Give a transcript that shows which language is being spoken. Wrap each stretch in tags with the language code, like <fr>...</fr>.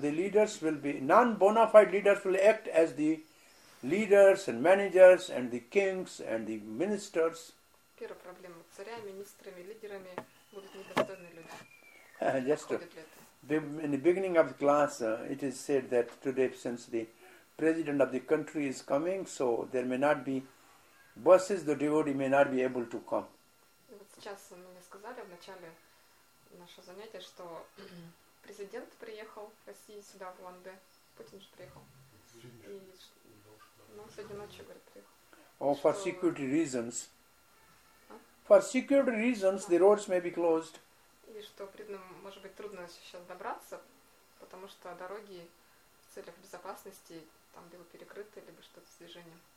<en>The leaders will be non bona fide leaders will act as the leaders and managers and the kings and the ministers.</en> <ru>Первая проблема – царями, министрами, лидерами будут недостойные люди.</ru> <en>In the beginning of the class, it is said that today, since the president of the country is coming, so there may not be buses, the devotee may not be able to come.</en> <ru>Вот сейчас мне сказали в начале нашего занятия, что президент приехал в России сюда, в Улан-Удэ. Путин же приехал. Ну, сегодня ночью, говорит, приехал.</ru> <en>Oh, for security reasons. For security reasons, the roads may be closed.</en> <ru>И что, может быть, трудно сейчас добраться, потому что дороги в целях безопасности там либо перекрыты, либо что-то с движением.</ru>